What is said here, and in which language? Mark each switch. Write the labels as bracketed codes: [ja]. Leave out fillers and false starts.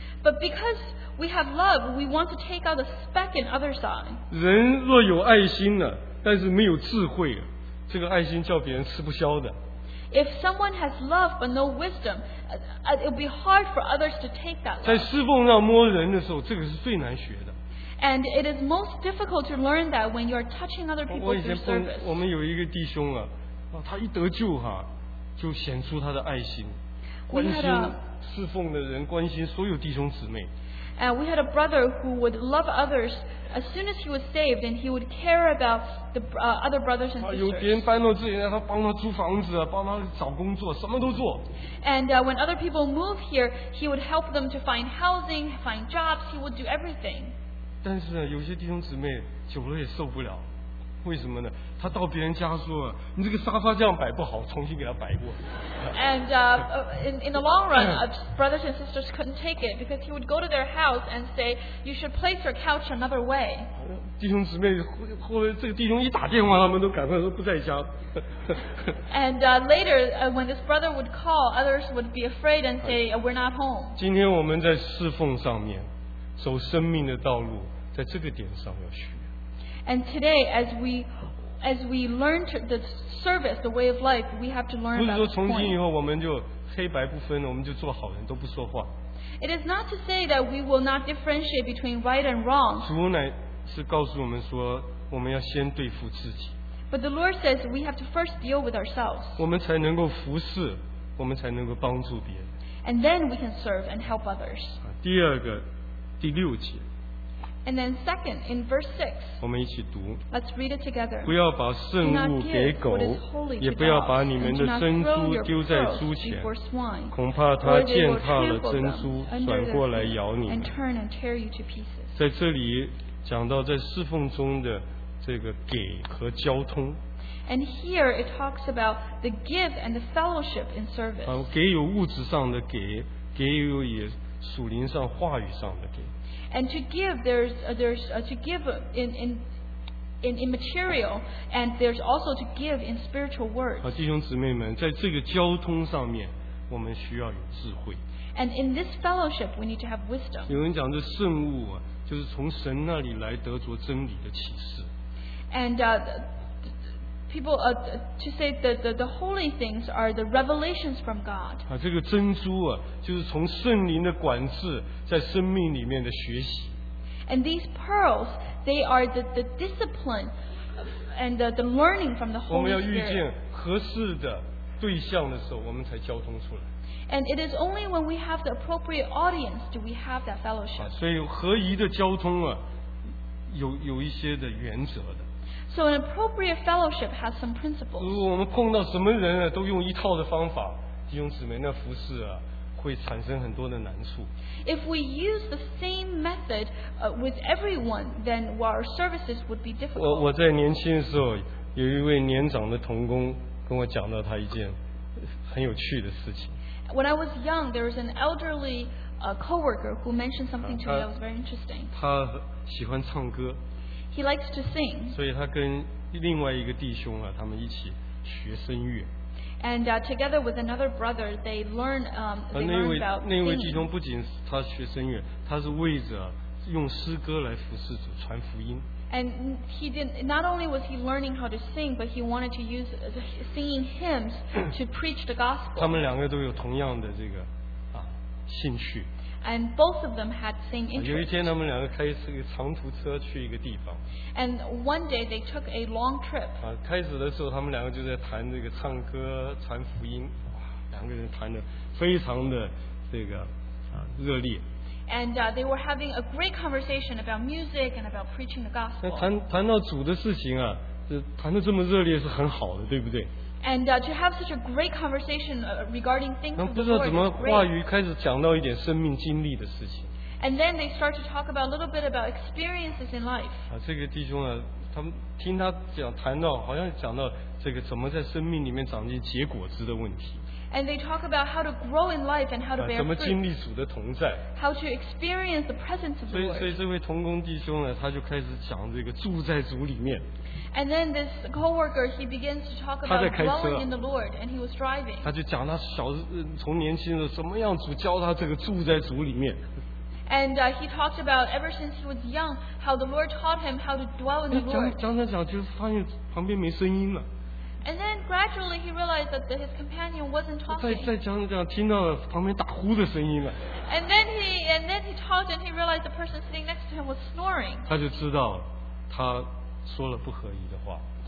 [en] But because we have love, we want to take out the speck in others' eye. [zh] 人若有爱心了，但是没有智慧，这个爱心叫别人吃不消的。 [en] If someone has love but no wisdom, it will be hard for others to take that love. [zh] 在侍奉上摸人的时候，这个是最难学的。 [en] And it is most difficult to learn that when you are touching other people through service. [zh] 我们有一个弟兄啊，他一得救哈。就显出他的爱心，关心侍奉的人，关心所有弟兄姊妹。 [en] And we had a brother who would love others as soon as he was saved, and he would care about the other brothers and sisters. [zh] 有别人搬到这里，他帮他租房子，帮他找工作，什么都做。 [en] And when other people move here, he would help them to find housing, find jobs. He would do everything. [zh] 但是有些弟兄姊妹久了也受不了。为什么呢？他到别人家说，你这个沙发这样摆不好，重新给他摆过。 [en] And in the long run, brothers and sisters couldn't take it because he would go to their house and say, "You should place your couch another way." [zh] 弟兄姊妹，后来这个弟兄一打电话，他们都赶快说不在家。 [en] And later, when this brother would call, others would be afraid and say, "We're not home." [zh] 今天我们在侍奉上面，走生命的道路，在这个点上要学。 [en] And today, as we learn the service, the way of life, we have to learn about this point. It is not to say that we will not differentiate between right and wrong. [zh] 主乃是告诉我们说，我们要先对付自己。 [en] But the Lord says we have to first deal with ourselves. [zh] 我们才能够服侍，我们才能够帮助别人。 [en] And then we can serve and help others. [zh] 第二个，第六节。 [en] And then second, in verse 6, [zh] 我们一起读, [en] let's read it together. [zh] 不要把圣物给狗, 也不要把你们的珍珠丢在猪前, 恐怕它践踏了珍珠, 转过来咬你们。在这里讲到在侍奉中的这个给和交通。 [en] And here it talks about the give and the fellowship in service. [zh] 给有物质上的给, 给有也属灵上话语上的给。 [en] And to give, there's to give in material, and there's also to give in spiritual words. [zh] 弟兄姊妹们，在这个交通上面，我们需要有智慧。 [en] And in this fellowship, we need to have wisdom. [zh] 有人讲这圣物啊，就是从神那里来得着真理的启示。 [en] And people to say the holy things are the revelations from God. [zh] 这个珍珠啊，就是从圣灵的管制在生命里面的学习。 [en] And these pearls, they are the discipline and the learning from the Holy Spirit. [zh] 我们要遇见合适的对象的时候，我们才交通出来。 [en] And it is only when we have the appropriate audience do we have that fellowship. [zh] 所以合宜的交通啊，有一些的原则的。 [en] So an appropriate fellowship has some principles. [zh] 如果我们碰到什么人啊，都用一套的方法，弟兄姊妹，那服侍啊，会产生很多的难处。 [en] If we use the same method with everyone, then our services would be difficult. [zh] 我在年轻的时候，有一位年长的同工跟我讲到他一件很有趣的事情。 [en] When I was young, there was an elderly coworker who mentioned something to me that was very interesting. [zh] 他喜欢唱歌。 [en] He likes to sing. [zh] 所以他跟另外一个弟兄啊，他们一起学声乐。 [en] And together with another brother, they learn about singing. [zh] 那位弟兄不仅他学声乐，他是为着用诗歌来服侍主，传福音。 [en] And he did not only was he learning how to sing, but he wanted to use singing hymns to preach the gospel. [zh] 他们两个都有同样的这个兴趣。 [en] And both of them had the same interest. [zh] 有一天他们两个开一个长途车去一个地方。 [en] And one day they took a long trip. [zh] 开始的时候他们两个就在谈这个唱歌传福音，两个人谈得非常的这个热烈。 [en] And they were having a great conversation about music and about preaching the gospel. [zh] 谈到主的事情啊，这谈得这么热烈是很好的，对不对？ [en] And to have such a great conversation regarding things of the Lord is great. [zh] 不知道怎么话语开始讲到一点生命经历的事情。 [en] And then they start to talk about a little bit about experiences in life. [zh] 这个弟兄啊，他们听他讲谈到，好像讲到这个怎么在生命里面长进结果子的问题。 [en] And they talk about how to grow in life and how to bear fruit. [zh] 怎么经历主的同在。 [en] How to experience the presence of the Lord. [zh] 所以这位同工弟兄呢，他就开始讲这个住在主里面。 [en] And then this coworker, he begins to talk about dwelling in the Lord, and he was driving. [zh] 他就讲他小从年轻的时候怎么样主教他这个住在主里面。 [en] And he talked about ever since he was young, how the Lord taught him how to dwell in the Lord. [zh] 讲就发现旁边没声音了。 [en] And then gradually he realized that his companion wasn't talking. [zh] 再讲听到了旁边打呼的声音了。 [en] And then he talked and he realized the person sitting next to him was snoring. [zh] 他就知道他说了不合宜的话。